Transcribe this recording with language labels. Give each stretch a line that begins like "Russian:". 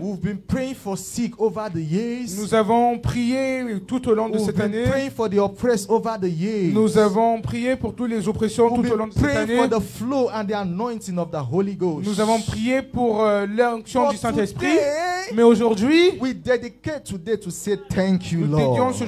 English: We've been praying for sick over the years.
French: Nous avons prié tout au long de cette année.
English: We've been praying for the oppressed over the years.
French: Nous avons prié pour toutes les oppressions tout au long de cette année.
English: We've been praying for the flow and the anointing of the Holy Ghost.
French: Nous avons prié pour l'onction du Saint-Esprit. Mais aujourd'hui,
English: we dedicate today to say thank you Lord.